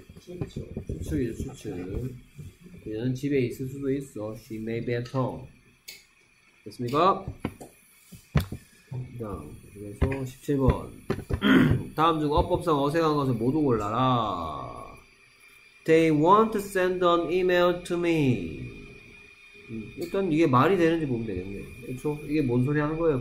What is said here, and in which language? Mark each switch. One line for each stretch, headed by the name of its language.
Korean: 추측이죠. 추측. 얘는 집에 있을 수도 있어.
English: She may be at home.
Korean: 됐습니까? 자, 그래서 17번. 다음 중 어법상 어색한 것을 모두 골라라.
English: They want to send an email to me.
Korean: 일단 이게 말이 되는지 보면 되겠네. 그렇죠? 이게 뭔 소리 하는 거예요?